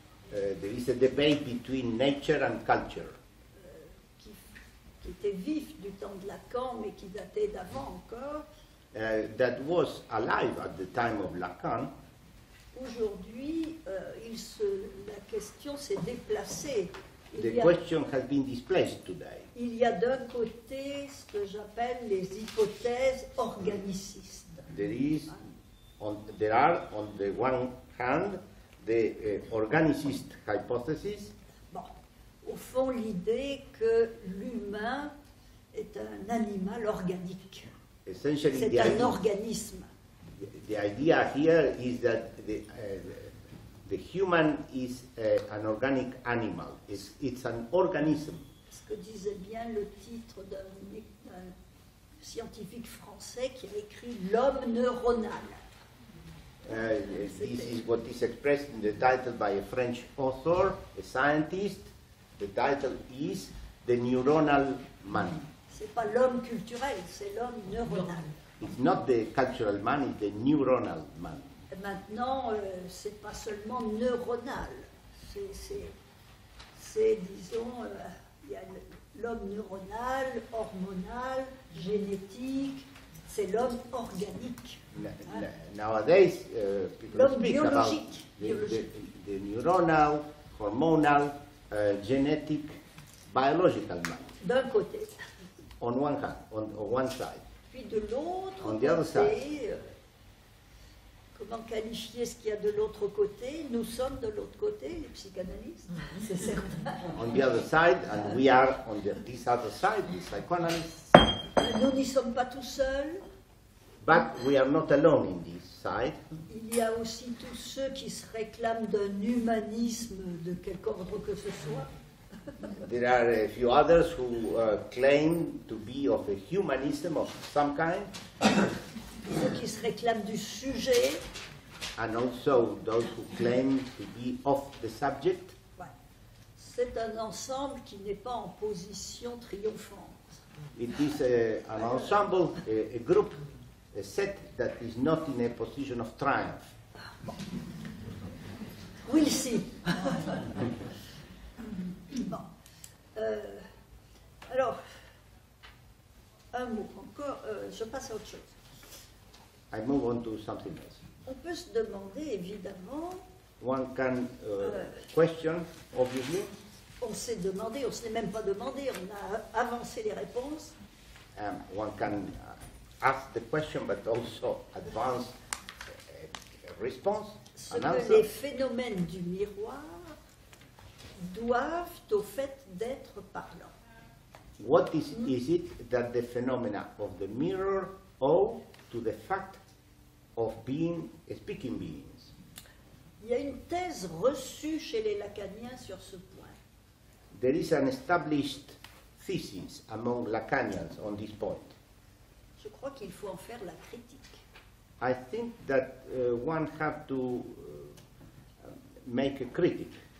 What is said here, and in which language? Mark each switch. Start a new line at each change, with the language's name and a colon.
English: There is a debate between nature and culture.
French: Qui était vif du temps de Lacan, mais qui datait d'avant encore.
English: That was alive at the time of Lacan.
French: Aujourd'hui, la question s'est déplacée.
English: Question has been displaced today.
French: Il y a d'un côté ce que j'appelle les hypothèses organicistes.
English: There is there are, on the one hand, the organicist hypothesis.
French: Bon. Au fond, l'idée que l'humain est un animal organique.
English: Essentially,
French: c'est un organisme.
English: The idea here is that the human is an organic animal. It's an organism.
French: Ce que disait bien le titre d'un scientifique français qui a écrit L'homme neuronal.
English: This is what is expressed in the title by a French author, a scientist. The title is The Neuronal Man.
French: C'est pas l'homme culturel, c'est l'homme neuronal.
English: It's not the cultural man, it's the neuronal man.
French: Et maintenant, c'est pas seulement neuronal. C'est disons, il y a l'homme neuronal, hormonal, génétique. C'est l'homme organique.
English: Nowadays, people
French: l'homme
English: speak
French: biologique.
English: About the neuronal, hormonal, genetic, biological man.
French: D'un côté.
English: On one hand, on one side.
French: Puis de l'autre
English: on
French: côté,
English: side.
French: Comment qualifier ce qu'il y a de l'autre côté? Nous sommes de l'autre côté, les psychanalystes, c'est certain.
English: On the other side, and we are on the, this other side, the psychoanalysts.
French: Nous n'y sommes pas tout seuls.
English: But we are not alone in this side.
French: Il y a aussi tous ceux qui se réclament d'un humanisme de quelque ordre que ce soit.
English: There are a few others who claim to be of a humanism of some kind.
French: Ceux qui se réclament du sujet.
English: And also those who claim to be of the subject.
French: Ouais. C'est un ensemble qui n'est pas en position triomphante.
English: It is an ensemble, a group, a set that is not in a position of triumph. Bon. We'll see.
French: Bon. Alors, un mot encore, je passe à autre chose.
English: I move on to something else.
French: On peut se demander, évidemment.
English: One can question, obviously.
French: On s'est demandé, on ne se l'est même pas demandé, on a avancé les réponses.
English: One can ask the question, but also advance a response.
French: Ce an que les phénomènes du miroir doivent au fait d'être parlant.
English: What is it that the phenomena of the mirror owe to the fact of being speaking beings?
French: Il y a une thèse reçue chez les Lacaniens sur ce point.
English: There is an established thesis among Lacanians on this point.
French: Je crois qu'il faut en faire la critique.
English: I think that one have to make a critic.